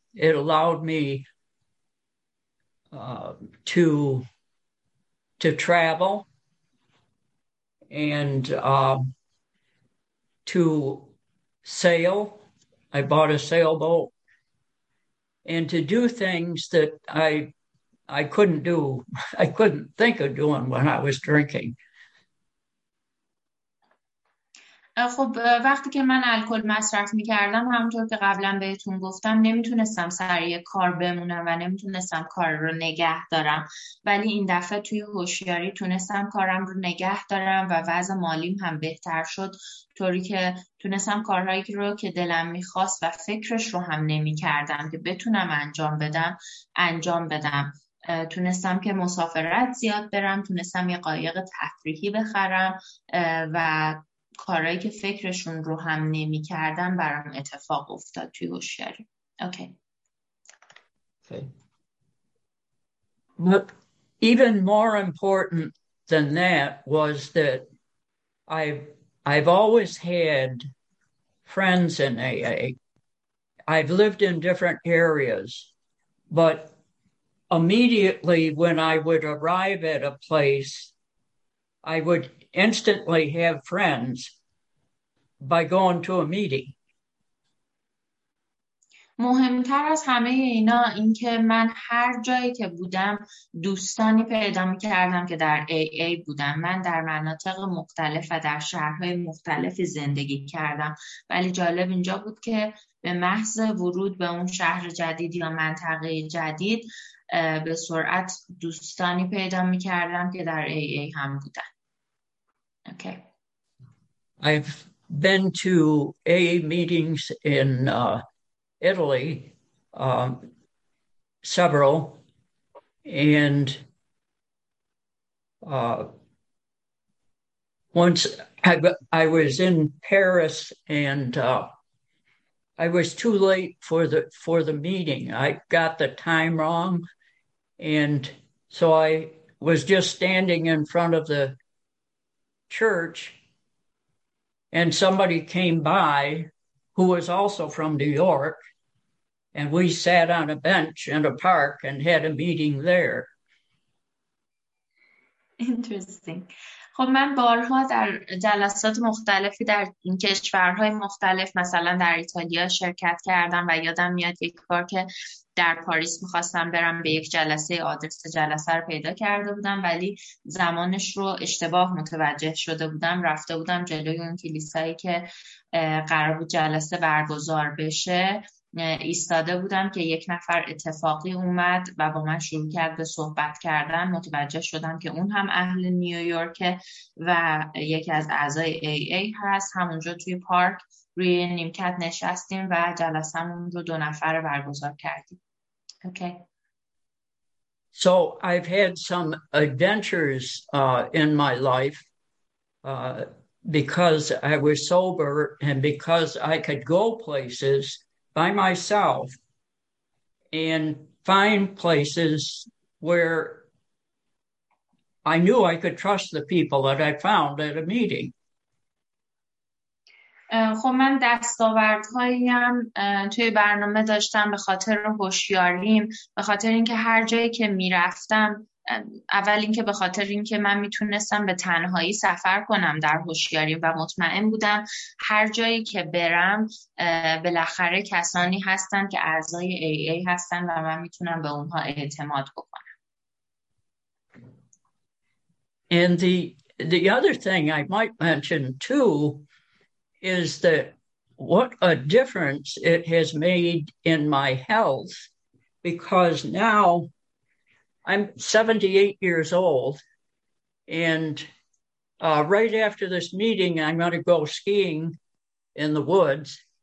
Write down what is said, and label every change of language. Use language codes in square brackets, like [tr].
[en] It allowed me to travel and to sail. I bought a sailboat and to do things that I couldn't do. I couldn't think of doing when I was drinking. [fa] خب وقتی که من الکل مصرف میکردم، همونطور که قبلا بهتون گفتم، نمیتونستم سر یه کار بمونم و نمیتونستم کار رو نگه دارم، ولی این دفعه توی هوشیاری تونستم کارم رو نگه دارم و وضع مالیم هم بهتر شد، طوری که تونستم کارهایی رو که دلم میخواست و فکرش رو هم نمیکردم که بتونم انجام بدم. تونستم که مسافرت زیاد برم، تونستم یه قایق تفریحی بخرم و کارهایی که فکرشون رو هم نمی کردم برام اتفاق افتاد توی هوشیاری. [en] Okay. But even more important than that was that I've always had friends in AA. I've lived in different areas, but immediately when I would arrive at a place, I would instantly have friends by going to a meeting. [fa] مهمتر از همه اینا این که من هر جایی که بودم دوستانی پیدا می‌کردم که در AA بودم. من در مناطق مختلف و در شهرهای مختلف زندگی کردم، ولی جالب اینجا بود که به محض ورود به اون شهر جدید یا منطقه جدید به سرعت دوستانی پیدا میکردم که در AA هم بودن. [en] Okay. I've been to AA meetings in Italy, several, and once I was in Paris, and I was too late for the meeting. I got the time wrong, and so I was just standing in front of the church, and somebody came by who was also from New York, and we sat on a bench in a park and had a meeting there. Interesting. [fa] خب من بارها در جلسات مختلفی در کشورهای مختلف مثلا در ایتالیا شرکت کردم و یادم میاد یک بار که در پاریس میخواستم برم به یک جلسه آدرس جلسه رو پیدا کرده بودم ولی زمانش رو اشتباه متوجه شده بودم رفته بودم جلوی اون کلیسایی که قرار بود جلسه برگزار بشه ایستاده بودم که یک نفر اتفاقی اومد و با من شروع کرد به صحبت کردن متوجه شدم که اون هم اهل نیویورکه و یکی از اعضای AA هست همونجا توی پارک روی نیمکت نشستیم و جلسه‌مون رو دو نفر برگزار کردیم. [en] Okay. So I've had some adventures in my life because I was sober and because I could go places by myself and find places where I knew I could trust the people that I found at a meeting. [fa] خب من دستاوردهایم توی برنامه داشتم به خاطر هوشیاریم به خاطر اینکه هر جایی که میرفتم اول اینکه به خاطر اینکه من میتونستم به تنهایی سفر کنم در هوشیاری و مطمئن بودم هر جایی که برم بالاخره کسانی هستن که اعضای AA هستن و من میتونم به اونها اعتماد بکنم. [en] And the other thing I might mention too is that what a difference it has made in my health because now I'm 78 years old, and right after this meeting, I'm going to go skiing in the woods.